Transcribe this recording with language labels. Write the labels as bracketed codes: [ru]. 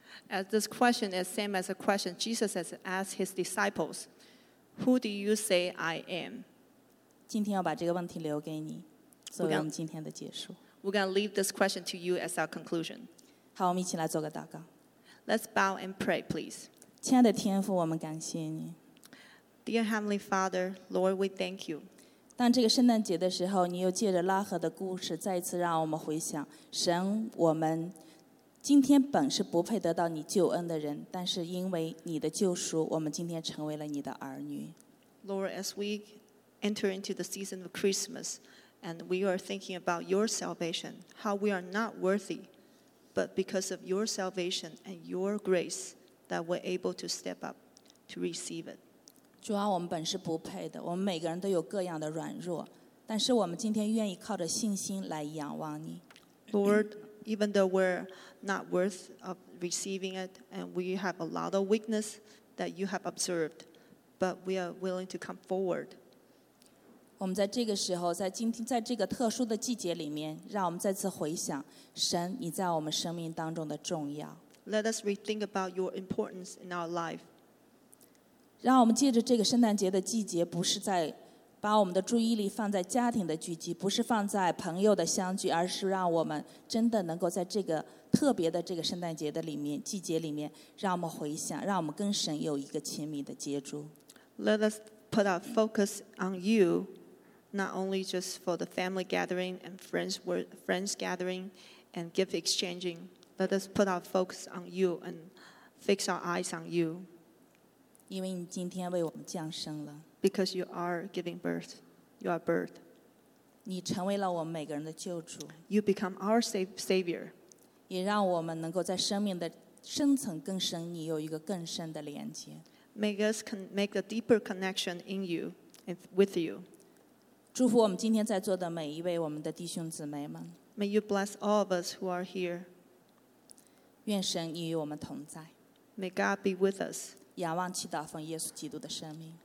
[en] As this question is same as a question Jesus has asked his disciples, "Who do you say I am?" [zh] 今天要把这个问题留给你，作为我们今天的结束。 [en] We're gonna leave this question to you as our conclusion. [zh] 好，我们一起来做个祷告。 [en] Let's bow and pray, please. [zh] 亲爱的天父，我们感谢你。 [en] Dear Heavenly Father, Lord, we thank you. [zh] 当这个圣诞节的时候，你又借着拉合的故事，再一次让我们回想，神，我们今天本是不配得到你救恩的人，但是因为你的救赎，我们今天成为了你的儿女。 [en] Lord, as we enter into the season of Christmas, and we are thinking about your salvation, how we are not worthy, but because of your salvation and your grace that we're able to step up to receive it. [zh] 主啊，我们本是不配的，我们每个人都有各样的软弱，但是我们今天愿意靠着信心来仰望你。 [en] Lord, even though we're not worth of receiving it and we have a lot of weakness that you have observed, but we are willing to come forward. [zh] 我们在这个时候，在今天，在这个特殊的季节里面，让我们再次回想神你在我们生命当中的重要。 [en] Let us rethink about your importance in our life. [zh] 让我们借着这个圣诞节的季节，不是在把我们的注意力放在家庭的聚集，不是放在朋友的相聚，而是让我们真的能够在这个特别的这个圣诞节的里面季节里面，让我们回想，让我们跟神有一个亲密的接触。 [en] Let us put our focus on you. Not only just for the family gathering and friends gathering and gift exchanging, let us put our focus on you and fix our eyes on you. [zh] 因为你今天为我们降生了。 [en] Because you are giving birth, you are birth. [zh] 你成为了我们每个人的救主。 [en] You become our savior. [zh] 也让我们能够在生命的深层更深，你有一个更深的连接。 [en] Make us make a deeper connection in you and with you. [zh] 祝福我们今天在座的每一位我们的弟兄姊妹们。 [en] May you bless all of us who are here. [zh] 愿神与我们同在。 [en] May God be with us. [zh] 仰望祈祷奉耶稣基督的圣名。